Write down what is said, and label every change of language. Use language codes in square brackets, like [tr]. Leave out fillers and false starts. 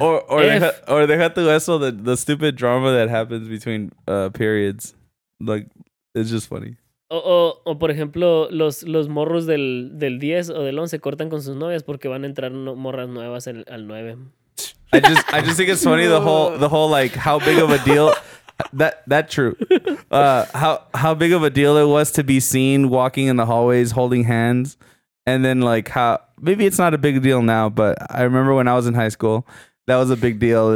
[es] Deja tú eso, [en] the stupid drama that happens between periods. Like, it's just funny. [es] O por ejemplo, los morros del 10 o del 11 cortan con sus novias porque van a entrar morras nuevas al 9. [en] I just think it's funny the whole like how big of a deal that true. How big of a deal it was to be seen walking in the hallways holding hands, and then like how maybe it's not a big deal now, but I remember when I was in high school, that was a big deal.